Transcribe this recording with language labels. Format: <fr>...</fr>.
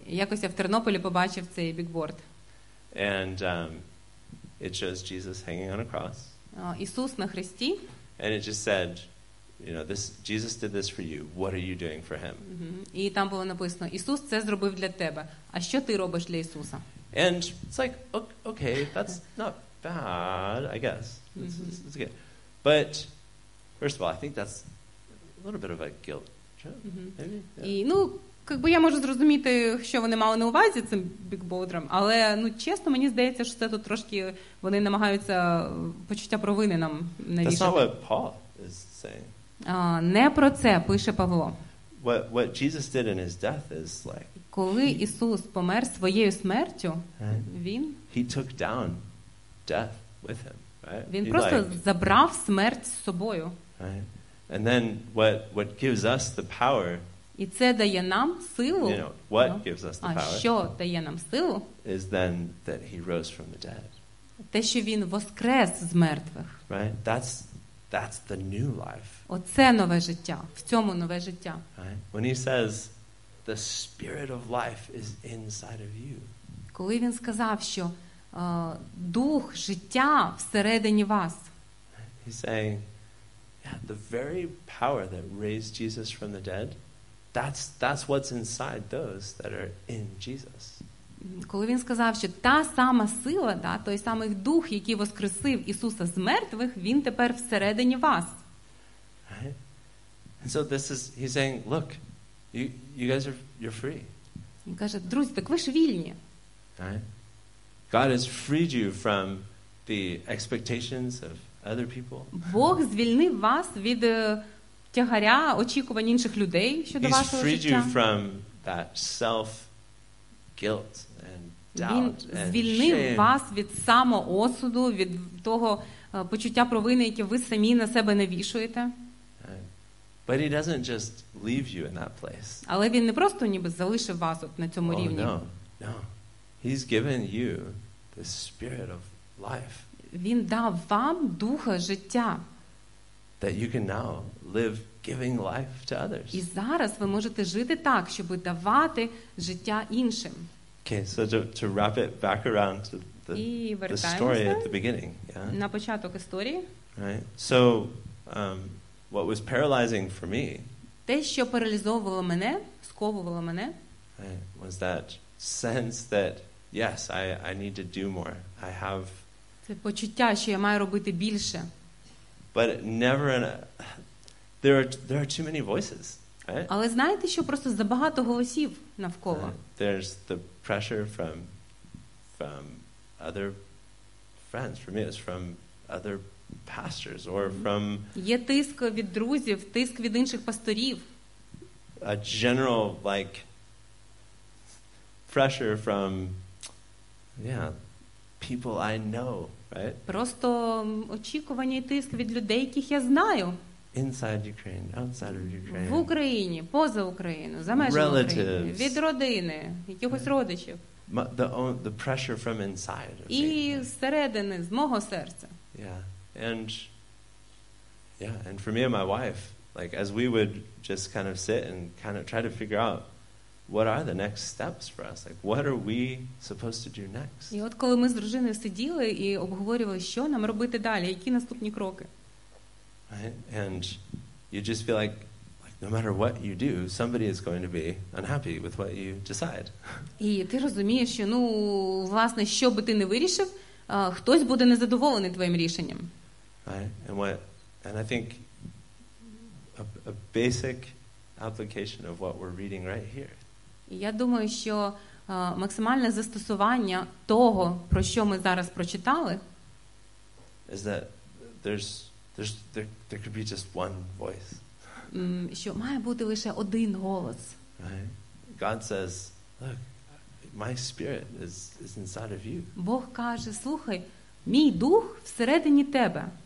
<uk>Якось я в Тернополі побачив цей бікборд.</uk> <en>And it shows Jesus hanging on a cross.</en> <uk>Ісус на хресті.</uk> <en>And it just said, you know, this Jesus did this for you. What are you doing for him?</en> <uk>І там було написано: Ісус це зробив для тебе. А що ти робиш для Ісуса?</uk> <en>And it's like, okay, that's not bad, I guess. It's good. But first of all, I think that's a little bit of a guilt trip.</en> <uk>І, ну, якби я можу зрозуміти, що вони мали на увазі цим бікбордером, але, ну, чесно, мені здається, що це тут трошки вони намагаються почуття провини нам навішати.</uk> <en>That's not what Paul is saying.</en> <uk>Не про це пише Павло.</uk> <en>What Jesus did in his death is like,</en> <uk>коли Ісус помер своєю смертю, він</uk> <en>he took down death with him, right?</en> <uk>Він просто забрав смерть з собою.</uk> <en>Right? And then what gives us the power?</en> <uk>І це дає нам силу.</uk> <en>You know, what gives us the power?</en> <uk>А що дає нам силу?</uk> <en>Is then that he rose from the dead.</en> <uk>Те, що він воскрес з мертвих.</uk> <en>Right? That's the new life.</en> <uk>Оце нове життя. В цьому нове життя.</uk> <en>Right? When he says the spirit of life is inside of you.</en> <uk>Коли він сказав, що дух життя всередині вас.</uk> <en>He's saying, yeah, the very power that raised Jesus from the dead, that's what's inside those that are in Jesus.</en> <uk>Коли він сказав, що та сама сила, да, той самий дух, який воскресив Ісуса з мертвих, він тепер всередині вас.</uk> <en>Right? And so this is, he's saying, look, you guys you're free.</en> <uk>Він каже, друзі, так ви ж вільні.</uk> <en>God has freed you from the expectations of other people.</en> <uk>Бог звільнив вас від тягаря очікувань інших людей щодо вашого життя.</uk> <en>He's freed you from that self guilt.</en> <uk>Він звільнив вас від самоосуду, від того почуття провини, яке ви самі на себе навішуєте.</uk> <en>But he doesn't just leave you in that place.</en> <uk>Але він не просто ніби залишив вас от на цьому рівні.</uk> <en>No. He's given you the spirit of life.</en> <uk>Він дав вам духа життя.</uk> <en>That you can now live giving life to others.</en> <uk>І зараз ви можете жити так, щоб давати життя іншим.</uk> <en>Okay, so to wrap it back around to the story at the beginning. Yeah?</en> <uk>На початок історії.</uk> <en>Right? So, what was paralyzing for me,</en> <uk>те, що паралізовувало мене, сковувало мене,</uk> <en>right, was that sense that, yes, I need to do more. I have...</en> <uk>Це почуття, що я маю робити більше.</uk> <en>But never... There are too many voices. Right?</en> <uk>Але знаєте, що просто забагато голосів навколо.</uk> <en>There's the pressure from from other friends. For me, it was from other pastors or from.</en> <uk>Є тиск від друзів, тиск від інших пасторів.</uk> <en>A general like pressure from, yeah, people I know, right?</en> <uk>Просто очікування і тиск від людей, яких я знаю.</uk> <en>Inside Ukraine, outside of Ukraine.</en> <uk>В Україні, поза Україною, за межами України, від родини, якихось родичів.</uk> <en>The pressure from inside.</en> <uk>І зсередини, з мого серця.</uk> <en>Yeah. And for me and my wife, like as we would just kind of sit and kind of try to figure out what are the next steps for us? Like what are we supposed to do next?</en> <uk>І от коли ми з дружиною сиділи і обговорювали, що нам робити далі, які наступні кроки?</uk> <en>Right? And you just feel like no matter what you do, somebody is going to be unhappy with what you decide.</en> <uk>І ти розумієш, що ну, власне, що би ти не вирішив, хтось буде незадоволений твоїм рішенням.</uk> <en>Right? And I think a basic application of what we're reading right here.</en> <uk>Я думаю, що максимальне застосування того, про що ми зараз прочитали,</uk> <en>is that there could be just one voice.</en> <uk>Що має бути лише один голос.</uk> <en>God says, look, my spirit is inside of you.</en> <uk>Бог каже: "Слухай, мій дух всередині тебе".</uk>